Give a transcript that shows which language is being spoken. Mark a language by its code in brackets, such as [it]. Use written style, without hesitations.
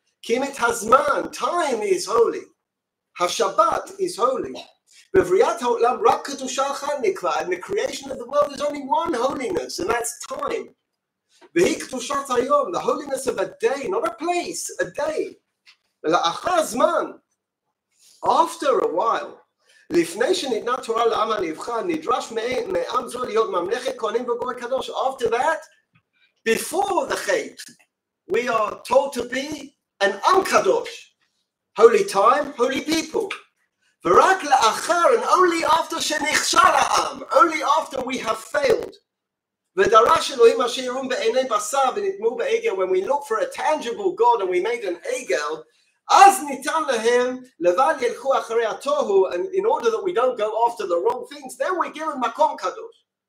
[he] Kimit hazman, [en] time is holy. HaShabbat is holy. [he] Bevriyat ha'olam rak kedusha achad nikva. [en] And the creation of the world is only one holiness, and that's time. [he] V'hi kedushat hayom, [en] the holiness of a day, not a place, a day. [he] V'la'achaz man. [en] After a while, [he] לפני שניתנה תורה לעם הנבחר, נדרש מעם זו להיות ממלכת כהנים וגוי קדוש. [en] After that, before the hate, we are told to be an עם קדוש. Holy time, holy people. [he] ורק לאחר, [en] and only after [he] שנכשל העם, [en] only after we have failed, [he] ודרש אלוהים אשר ירום בעיני בשר ונדמו בעגל, [en] when we look for a tangible God and we made an עגל, [he] אז ניתן להם לבד ילכו אחרי התוהו, [en] and in order that we don't go after the wrong things, then we're given [he] מקום קדוש.